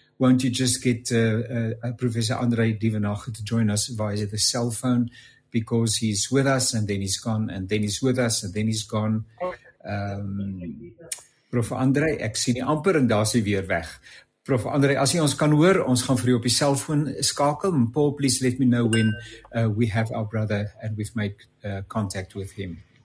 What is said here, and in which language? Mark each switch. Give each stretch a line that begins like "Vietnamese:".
English: Won't you just get professor Andre Dievenage to join us via the cell phone? Because he's with us and then he's gone and then he's with us and then he's gone.
Afrikaans: Prof Andre, ek sien die amper en daar's hy weer weg. Prof Andre, as jy ons kan hoor, ons gaan vir jou op die selfoon skakel.
English: Paul, please let me know when we have our brother and we've made contact with him.